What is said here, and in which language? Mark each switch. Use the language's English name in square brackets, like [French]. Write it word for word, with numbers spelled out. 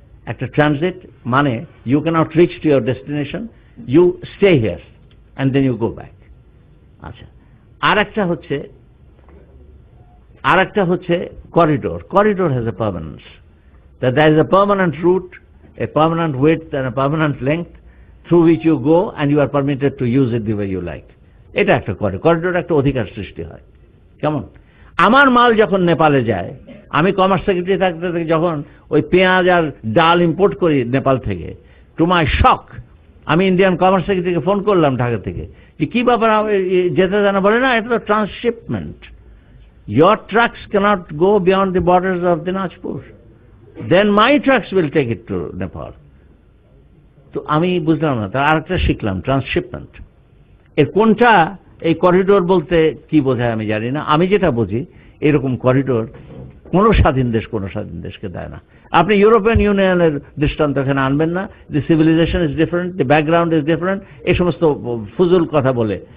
[Bangla] একটা ট্রানজিট মানে [English] You can't reach to your destination, you stay here and then you go back. [Bangla] আচ্ছা, আর একটা হচ্ছে আর একটা হচ্ছে corridor. [English] Corridor has a permanence, that there is a permanent route, a permanent width and a permanent length, through which you go and you are permitted to use it the way you like. [Bangla] এটা একটা করে corridor, একটা অধিকার সৃষ্টি হয়। কেমন আমার মাল যখন নেপালে যায়, আমি কমার্স সেক্রেটারি থাকতে থেকে যখন ওই পেঁয়াজ আর ডাল ইম্পোর্ট করি নেপাল থেকে, [English] to my shock [Bangla] আমি ইন্ডিয়ান কমার্স সেক্রেটারিকে ফোন করলাম ঢাকা থেকে যে কী ব্যাপার যেতে জানা, বলে না এটা তো transshipment, [English] your trucks cannot go beyond the borders of Dinajpur. Then my trucks will take it to Nepal. [Bangla] তো আমি বুঝলাম না, তার আরেকটা শিখলাম ট্রান্সশিপমেন্ট। এর কোনটা এই করিডোর বলতে কি বোঝায় আমি জানি না, আমি যেটা বুঝি এরকম করিডোর কোনো স্বাধীন দেশ কোনো স্বাধীন দেশকে দেয় না। আপনি ইউরোপিয়ান ইউনিয়নের দৃষ্টান্ত এখানে আনবেন না, [English] the civilization is different, the background is different, [Bangla] এই সমস্ত ফুজুল কথা বলে।